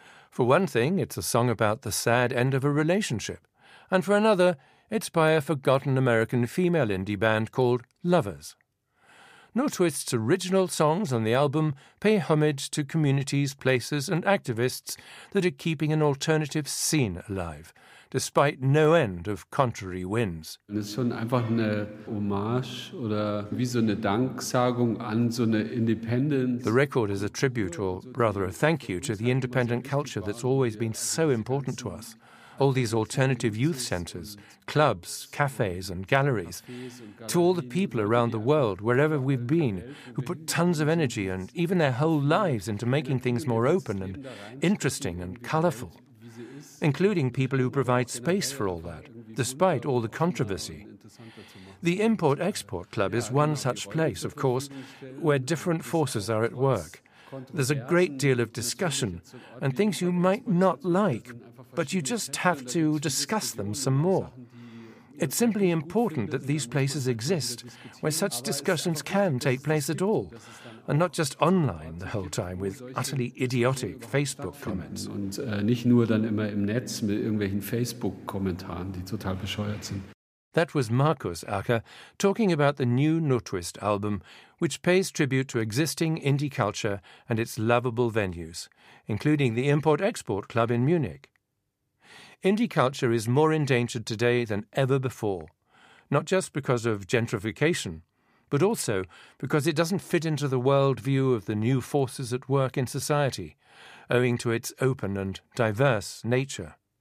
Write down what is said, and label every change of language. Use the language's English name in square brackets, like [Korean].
[English] For one thing, it's a song about the sad end of a relationship, and for another, it's by a forgotten American female indie band called Lovers. No Twist's original songs on the album pay homage to communities, places, and activists that are keeping an alternative scene alive, despite no end of contrary winds. [German] Es ist schon einfach eine Hommage oder wie so eine Danksagung an so eine Independence. [English] The record is a tribute, or rather a thank you, to the independent culture that's always been so important to us. All these alternative youth centres, clubs, cafes and galleries. To all the people around the world, wherever we've been, who put tons of energy and even their whole lives into making things more open and interesting and colourful. Including people who provide space for all that, despite all the controversy. The Import-Export Club is one such place, of course, where different forces are at work. There's a great deal of discussion and things you might not like, but you just have to discuss them some more. It's simply important that these places exist, where such discussions can take place at all, and not just online the whole time with utterly idiotic Facebook comments. [German] Und nicht nur dann immer im Netz mit irgendwelchen Facebook-Kommentaren, die total bescheuert sind. [English] That was Markus Acha talking about the new No Twist album, which pays tribute to existing indie culture and its lovable venues, including the Import-Export Club in Munich. Indie culture is more endangered today than ever before, not just because of gentrification, but also because it doesn't fit into the world view of the new forces at work in society, owing to its open and diverse nature.